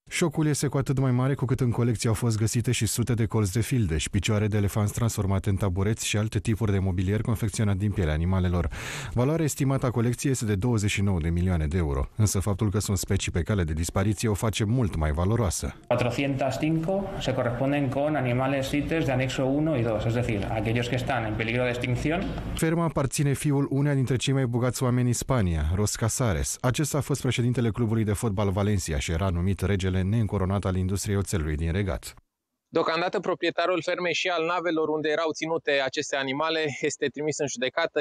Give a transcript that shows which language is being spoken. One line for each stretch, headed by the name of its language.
Romanian: Șocul este cu atât mai mare cu cât în colecție au fost găsite și sute de colți de fildeș și picioare de elefanți transformate în tabureți și alte tipuri de mobilier confecționat din pielea animalelor. Valoarea estimată a colecției este de 29 de milioane de euro, însă faptul că sunt specii pe cale de dispariție o face mult mai valoroasă.
Spanish: 405 se corespunden con animales sites de anexo 1 y 2, es decir, aquellos que están en peligro de extinción.
Romanian: Ferma aparține fiul uneia dintre cei mai bogați oameni în Spania, Ros Casares. Acesta a fost președintele clubului de fotbal Valencia și era numit regele neîncoronat al industriei oțelului din regat. Deocamdată, proprietarul fermei și al navelor unde erau ținute aceste animale este trimis în judecată.